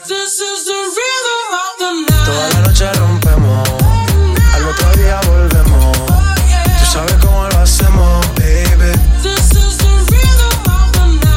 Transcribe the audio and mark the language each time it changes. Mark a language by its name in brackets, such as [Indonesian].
[English] This is the rhythm of the night. [Spanish] Toda la noche rompemos. Al otro día volvemos. Tú sabes cómo lo hacemos, baby. [English] This is the rhythm of the night.